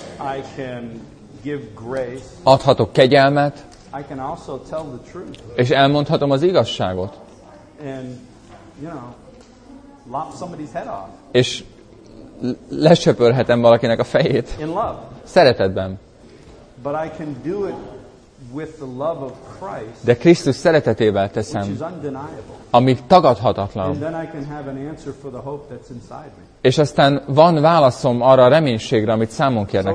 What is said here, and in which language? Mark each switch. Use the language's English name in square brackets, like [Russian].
[English] I can give grace. [Hungarian] Adhatok kegyelmet. [English] I can also tell the truth. [Hungarian] És elmondhatom az igazságot. [English] And you know, lop somebody's head off. [Hungarian] És lesöpörhetem valakinek a fejét. [English] In love. [Hungarian] Szeretetben. [English] But I can do it with the love of Christ. [Hungarian] De Krisztus szeretetével teszem, ami tagadhatatlan. [English] And then I can have an answer for the hope that's inside me. [Hungarian] És aztán van válaszom arra a reménységre, amit számon kérnek